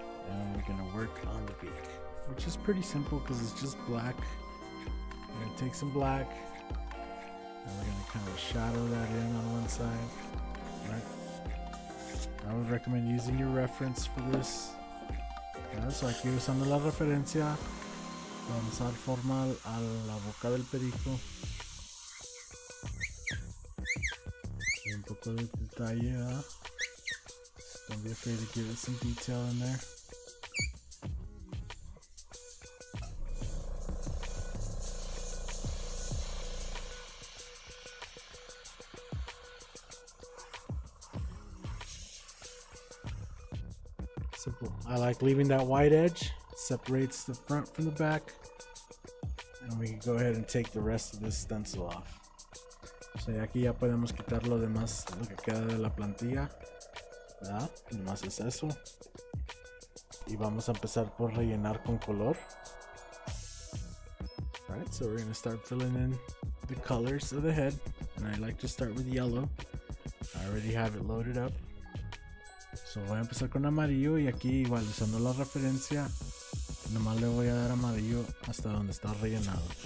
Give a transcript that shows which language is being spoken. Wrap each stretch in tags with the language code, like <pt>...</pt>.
<en>And we're gonna work on the beak. Which is pretty simple because it's just black. We're gonna take some black. And we're gonna kind of shadow that in on one side. Right. I would recommend using your reference for this.</en> <es>So aquí usando la referencia, vamos a dar forma a la boca del perico. Y un poco de detalle, ¿eh?</es> <en>So don't be afraid to give it some detail in there. I like leaving that white edge, separates the front from the back, and we can go ahead and take the rest of this stencil off.</en> <es>So aquí ya podemos quitar lo demás, lo que queda de la plantilla, ¿verdad? Nomás es eso. Y vamos a empezar por rellenar con color.</es> <en>Alright, so we're gonna start filling in the colors of the head, and I like to start with yellow. I already have it loaded up.</en> <es>So voy a empezar con amarillo y aquí igual usando la referencia nomás le voy a dar amarillo hasta donde está rellenado.</es>